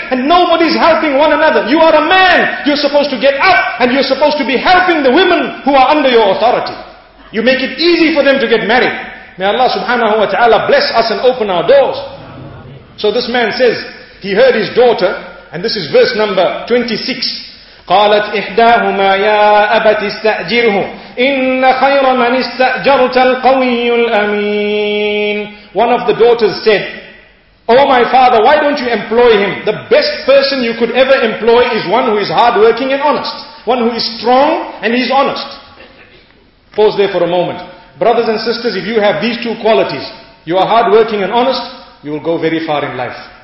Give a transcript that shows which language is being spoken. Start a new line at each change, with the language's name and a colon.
English: And nobody's helping one another. You are a man. You're supposed to get up. And you're supposed to be helping the women who are under your authority. You make it easy for them to get married. May Allah subhanahu wa ta'ala bless us and open our doors. So this man says, he heard his daughter. And this is verse number 26.
Arabic: قالت إحداهما يا أبت استأجره إن خير من استأجرت القوي الأمين.
English: One of the daughters said, oh my father, why don't you employ him? The best person you could ever employ is one who is hardworking and honest. One who is strong and he's honest. Pause there for a moment. Brothers and sisters, if you have these two qualities, you are hardworking and honest, you will go very far in life.